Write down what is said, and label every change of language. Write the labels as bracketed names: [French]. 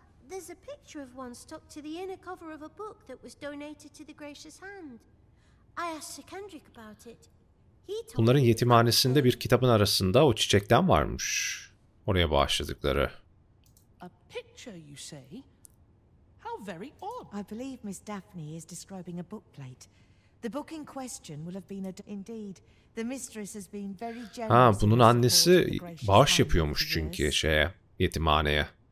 [English] There's a picture of one stuck to the inner cover of a book that was donated to the gracious hand. I asked Sir Kendrick about it. [Turkish] Bunların yetimhanesinde bir kitabın arasında o çiçekten varmış. Oraya bağışladıkları. [English] A picture, you say? How very odd. I believe Miss Daphne is describing a bookplate. The book in question will have been a indeed. The mistress has been very generous. [Turkish] Ha, bunun annesi bağış yapıyormuş çünkü şeye, yetimhaneye.